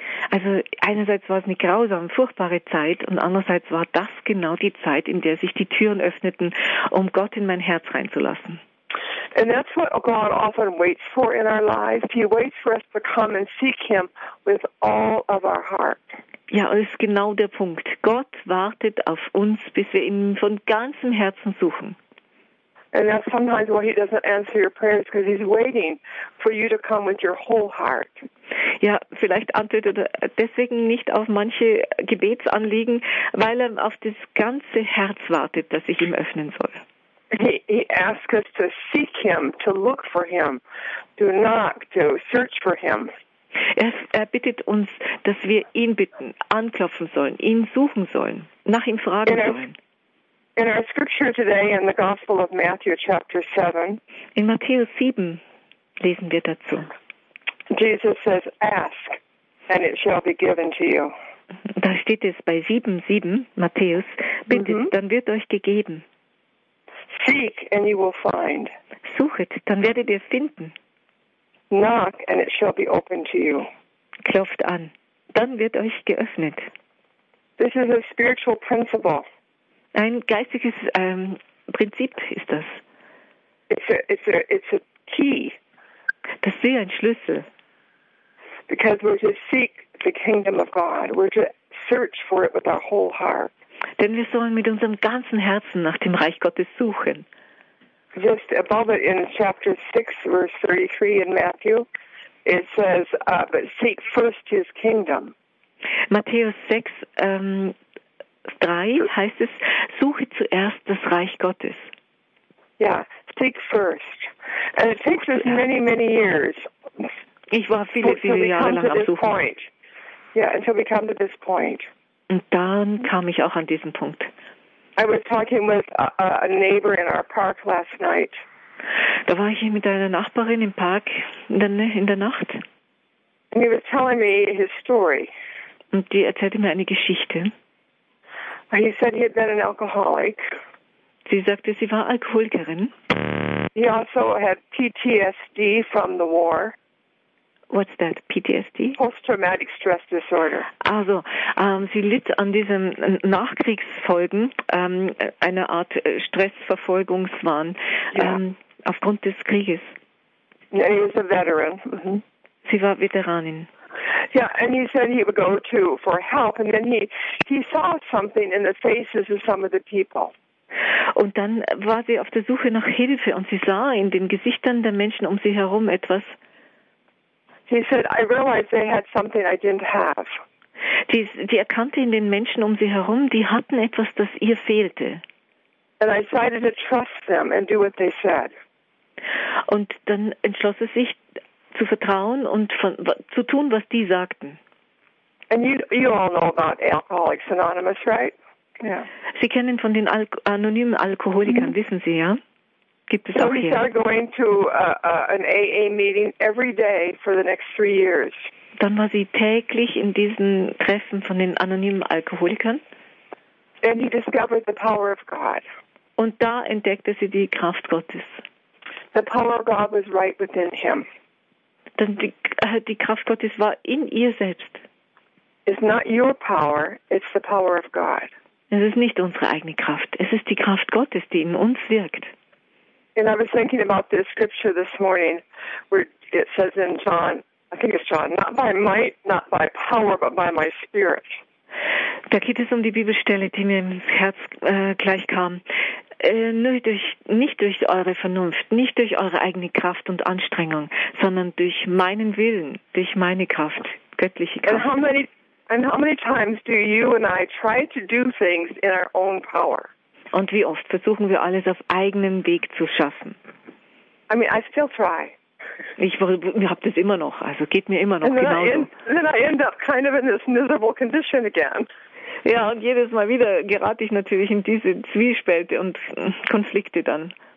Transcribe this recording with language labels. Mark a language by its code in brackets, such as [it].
[de] Also einerseits war es eine grausame, furchtbare Zeit und andererseits war das genau die Zeit, in der sich die Türen öffneten, um Gott in mein Herz reinzulassen. [en] And that's what God often waits for in our lives. He waits for us to come and seek him with all of our heart. [de] Ja, das ist genau der Punkt. Gott wartet auf uns, bis wir ihn von ganzem Herzen suchen. [en] And that's sometimes why he doesn't answer your prayers, because he's waiting for you to come with your whole heart. [de] Ja, vielleicht antwortet er deswegen nicht auf manche Gebetsanliegen, weil er auf das ganze Herz wartet, das ich ihm öffnen soll. [en] He asks us to seek him, to look for him, to knock, to search for him. [de] Er bittet uns, dass wir ihn bitten, anklopfen sollen, ihn suchen sollen, nach ihm fragen sollen. [en] In our scripture today, in the Gospel of Matthew, chapter 7. [de] In Matthäus 7 lesen wir dazu. [en] Jesus says, "Ask, and it shall be given to you." [de] Da steht es bei 7:7, Matthäus, bittet, dann wird euch gegeben. [en] Seek and you will find. [de] Suchet, dann werdet ihr finden. [en] Knock and it shall be opened to you. [de] Klopft an, dann wird euch geöffnet. [en] This is a spiritual principle. [de] Ein geistiges Prinzip ist das. [en] It's a key. [de] Das ist ein Schlüssel. [en] Because we're to seek the kingdom of God. We're to search for it with our whole heart. [de] Denn wir sollen mit unserem ganzen Herzen nach dem Reich Gottes suchen. [en] Just above it in chapter 6, verse 33 in Matthew, it says, but seek first his kingdom. [de] Matthäus 6, 3 heißt es, suche zuerst das Reich Gottes. [en] Yeah, seek first. And it takes us many, many years. [de] Ich war viele, viele Jahre lang am Suchen. [en] Point. Yeah, until we come to this point. [de] Und dann kam ich auch an diesen Punkt. [en] I was talking with a neighbor in our park last night. [de] Da war ich mit einer Nachbarin im Park in der Nacht. [en] And he was telling me his story. [de] Und die erzählte mir eine Geschichte. [en] He said he had been an alcoholic. [de] Sie sagte, sie war Alkoholikerin. [en] He also had PTSD from the war. What's that, PTSD? Post-traumatic stress disorder. [de] Also, sie litt an diesen Nachkriegsfolgen, einer Art Stressverfolgungswahn, aufgrund des Krieges. [en] Yeah, he was a veteran. [de] Sie war Veteranin. [en] Yeah, and he said he would go to for help, and then he saw something in the faces of some of the people. [de] Und dann war sie auf der Suche nach Hilfe, und sie sah in den Gesichtern der Menschen um sie herum etwas. [en] He said, I realized they had something I didn't have. [de] Die erkannte in den Menschen um sie herum, die hatten etwas, das ihr fehlte. [en] And I decided to trust them and do what they said. [de] Und dann entschloss sie sich, zu vertrauen und zu tun, was die sagten. [en] And you all know about Alcoholics Anonymous, right? Yeah. [de] Sie kennen von den anonymen Alkoholikern, wissen Sie, ja? Gibt es so auch hier. [en] So we started going to an AA meeting every day for the next 3 years. [de] Dann war sie täglich in diesen Treffen von den anonymen Alkoholikern. [en] And he discovered the power of God. [de] Und da entdeckte sie die Kraft Gottes. [en] The power of God was right within him. [de] Denn die Kraft Gottes war in ihr selbst. [en] It's not your power, it's the power of God. [de] Es ist nicht unsere eigene Kraft, es ist die Kraft Gottes, die in uns wirkt. [en] And I was thinking about this scripture this morning, where it says in John, I think it's John, not by might, not by power, but by my spirit. [de] Da geht es um die Bibelstelle, die mir ins Herz gleich kam. Nicht durch eure Vernunft, nicht durch eure eigene Kraft und Anstrengung, sondern durch meinen Willen, durch meine Kraft, göttliche Kraft. [en] And how many times do you and I try to do things in our own power? [de] Und wie oft versuchen wir alles auf eigenem Weg zu schaffen? [en] I mean, I still try. [de] Ich habe das immer noch, also geht mir immer noch [en] and [de] genauso. [en] Then I end up kind of in this miserable condition again. [de] Ja, und jedes Mal wieder gerate ich natürlich in diese Zwiespälte und Konflikte dann.